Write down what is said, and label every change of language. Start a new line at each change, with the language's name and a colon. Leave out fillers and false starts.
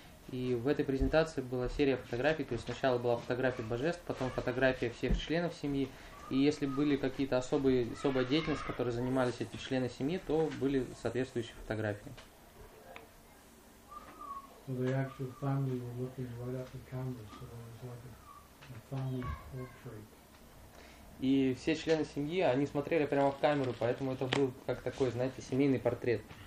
Russian: И в этой презентации была серия фотографий. То есть сначала была фотография божеств, потом фотография всех членов семьи. И если были какие-то особая деятельность, которой занимались эти члены семьи, то были соответствующие фотографии.
English: So the actual family were looking right at the camera, so it was like a family portrait.
Russian: И все члены семьи, они смотрели прямо в камеру, поэтому это был как такой, знаете, семейный портрет.